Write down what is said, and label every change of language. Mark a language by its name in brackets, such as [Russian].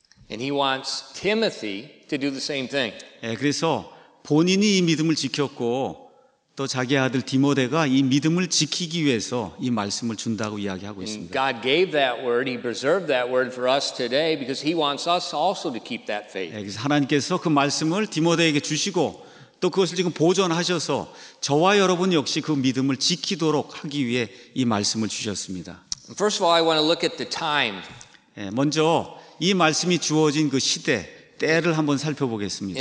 [English] And he wants Timothy to do the same thing. [Korean] 예, 그래서 본인이 이 믿음을 지켰고 또 자기 아들 디모데가 이 믿음을 지키기 위해서 이 말씀을 준다고 이야기하고 있습니다. [English] God gave that word, He preserved that word for us today because He wants us also to keep that faith. [Korean] 그래서 하나님께서 그 말씀을 디모데에게 주시고 또 그것을 지금 보존하셔서 저와 여러분 역시 그 믿음을 지키도록 하기 위해 이 말씀을 주셨습니다. [English] First of all, I want to look at the time. [Korean] 먼저 이 말씀이 주어진 그 시대. 때를 한번 살펴보겠습니다.